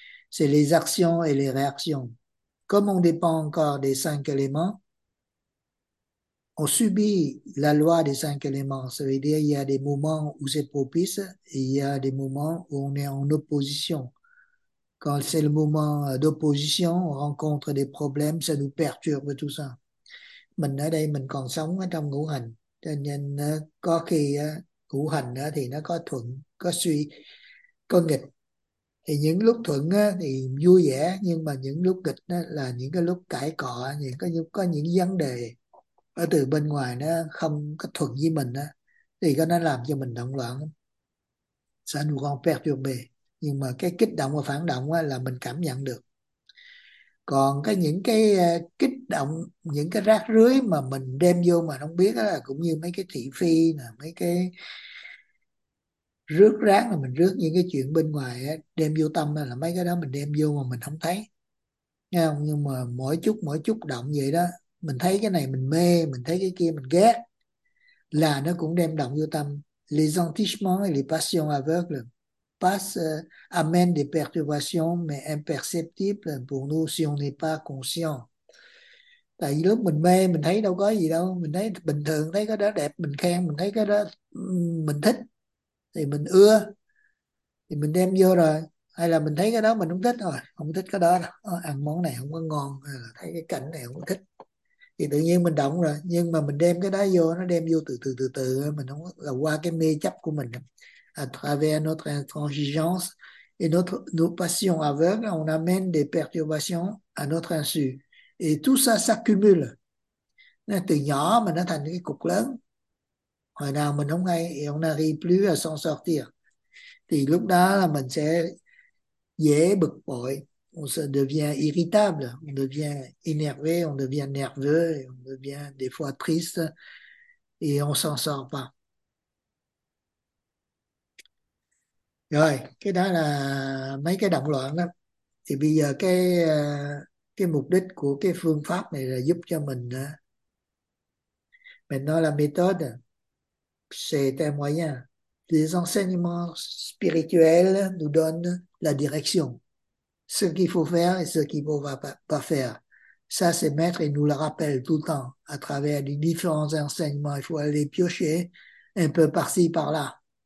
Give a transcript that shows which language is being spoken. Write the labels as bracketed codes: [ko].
[fr] C'est les actions et les réactions. Comme on dépend encore des cinq éléments, on subit la loi des cinq éléments. Ça veut dire qu'il y a des moments où c'est propice et il y a des moments où on est en opposition. Quand c'est le moment d'opposition, on rencontre des problèmes, ça nous perturbe tout ça. [vi] Mình ở đây, mình còn sống ở trong ngũ hành. Cho nên có khi ngũ hành thì nó có thuận, có suy, có nghịch. Thì những lúc thuận thì vui vẻ, nhưng mà những lúc nghịch là những cái lúc cãi cọ, những có những vấn đề ở từ bên ngoài nó không có thuận với mình thì nó làm cho mình động loạn, sẽ nuôi con perturbé. Nhưng mà cái kích động và phản động là mình cảm nhận được. Còn cái những cái kích động, những cái rác rưới mà mình đem vô mà không biết đó, là cũng như mấy cái thị phi nè, mấy cái rước rác, là mình rước những cái chuyện bên ngoài đó, đem vô tâm là mấy cái đó mình đem vô mà mình không thấy. Nghe không? Nhưng mà mỗi chút động vậy đó, mình thấy cái này mình mê, mình thấy cái kia mình ghét, là nó cũng đem động vô tâm. [fr] Les sentiments et les passions aveugles amène des perturbations mais imperceptibles pour nous si on n'est pas conscient. [vi] Tại vì lúc mình mê mình thấy đâu có gì đâu, mình thấy bình thường, thấy cái đó đẹp mình khen, mình thấy cái đó mình thích thì mình ưa thì mình đem vô rồi, hay là mình thấy cái đó mình không thích rồi, không thích cái đó đâu. Ăn món này không có ngon, hay là thấy cái cảnh này không thích thì tự nhiên mình động rồi, nhưng mà mình đem cái đó vô, nó đem vô từ từ từ từ, mình không là qua cái mê chấp của mình. [fr] À travers notre intransigeance et nos passions aveugles, on amène des perturbations à notre insu. Et tout ça s'accumule. [vi] Từ nhỏ mà nó thành cái cục lớn. Hồi nào mình không hay, [fr] et on n'arrive plus à s'en sortir. [vi] Thì lúc đó là mình sẽ dễ bực bội. [fr] On se devient irritable, on devient énervé, on devient nerveux, on devient des fois triste et on s'en sort pas. [vi] Rồi, cái đó là mấy cái động loạn đó. Thì bây giờ cái mục đích của cái phương pháp này là giúp cho mình nói là [fr] méthode, c'est un moyen. Les enseignements spirituels nous donnent la direction. Ce qu'il faut faire et ce qu'il ne faut pas faire. Ça, c'est maître, il nous le rappelle tout le temps à travers les différents enseignements. Il faut aller piocher un peu par-ci, par-là.